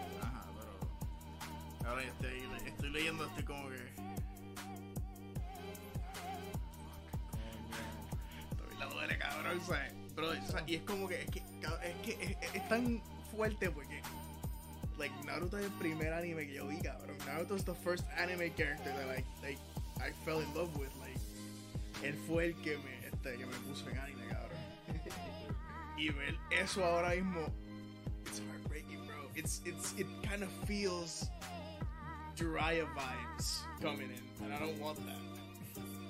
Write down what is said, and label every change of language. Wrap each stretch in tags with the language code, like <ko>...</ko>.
<es>Ajá, pero. Ahora ya estoy leyendo, estoy como que. Estoy la duele, cabrón, ¿sabes? Bro, o sea, y es como que es tan fuerte porque Naruto es el primer anime que yo vi, cabrón.</es> <en>Naruto es the first anime character that I fell in love with.</en> <es>Él fue el que me puso en anime, cabrón. Y ver eso ahora mismo,</es> <en>it's heartbreaking, bro. It kind of feels dry of vibes coming in, and I don't want that.</en>